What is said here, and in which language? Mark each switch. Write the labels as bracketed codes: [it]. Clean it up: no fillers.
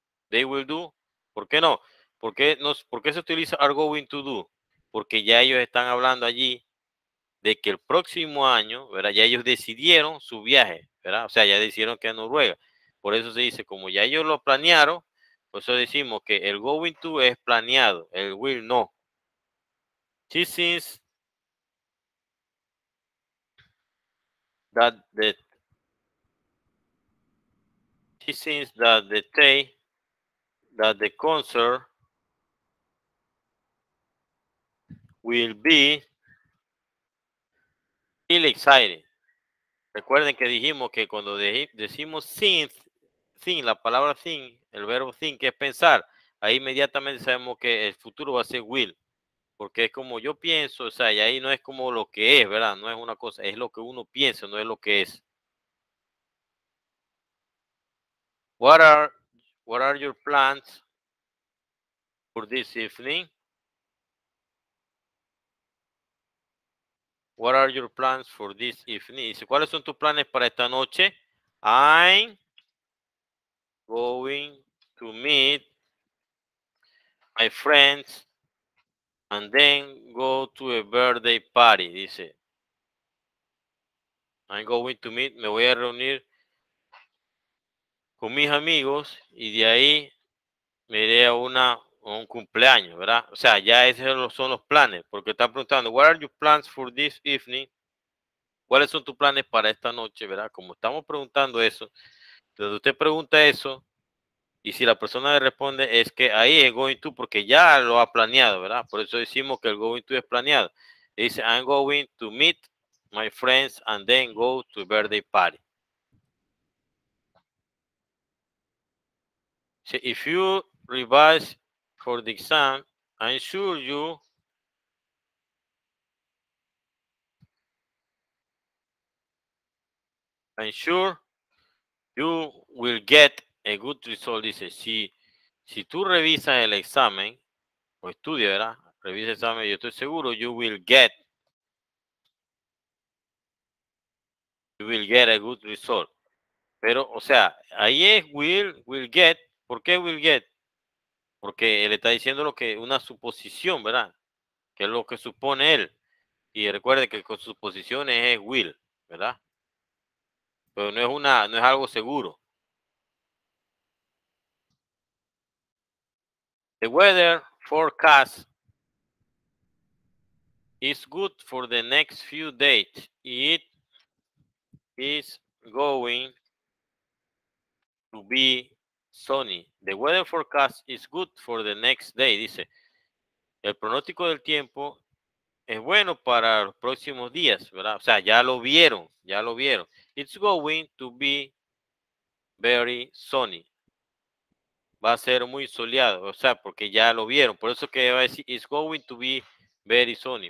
[en] They will do, [es] ¿por qué no? ¿Por qué se utiliza are going to do? Porque ya ellos están hablando allí de que el próximo año, ¿verdad? Ya ellos decidieron su viaje, ¿verdad? O sea, ya decidieron que a Noruega. Por eso se dice, como ya ellos lo planearon, por eso decimos que el going to es planeado, el will no. [en] She thinks that the day that the concert will be really exciting. [es] Recuerden que dijimos que cuando decimos think, la palabra think, el verbo think, que es pensar, ahí inmediatamente sabemos que el futuro va a ser will, porque es como yo pienso, o sea, y ahí no es como lo que es, ¿verdad? No es una cosa, es lo que uno piensa, no es lo que es. [en] What are your plans for this evening? What are your plans for this evening? [es] Dice, ¿cuáles son tus planes para esta noche? [en] I'm going to meet my friends and then go to a birthday party. [es] Dice, [en] I'm going to meet, [es] me voy a reunir con mis amigos y de ahí me iré a un cumpleaños, ¿verdad? O sea, ya esos son los planes, porque están preguntando, [en] what are your plans for this evening? [es] ¿Cuáles son tus planes para esta noche, verdad? Como estamos preguntando eso, entonces usted pregunta eso, y si la persona le responde, es que ahí es going to, porque ya lo ha planeado, ¿verdad? Por eso decimos que el going to es planeado. Y dice, [en] I'm going to meet my friends and then go to a birthday party. So if you revise for the exam, I'm sure you will get a good result. [es] Dice, si tú revisas el examen o estudia, ¿verdad? Revisa el examen, yo estoy seguro, [en] you will get a good result. [es] Pero, o sea, ahí es will get. ¿Por qué will get? Porque él está diciendo lo que una suposición, ¿verdad? Que es lo que supone él. Y recuerde que con suposiciones es will, ¿verdad? Pero no es algo seguro. [en] The weather forecast is good for the next few days. It is going to be sunny. The weather forecast is good for the next day. [es] Dice, el pronóstico del tiempo es bueno para los próximos días, ¿verdad? O sea, ya lo vieron. [en] It's going to be very sunny. [es] Va a ser muy soleado, o sea, porque ya lo vieron. Por eso que va a decir, [en] it's going to be very sunny.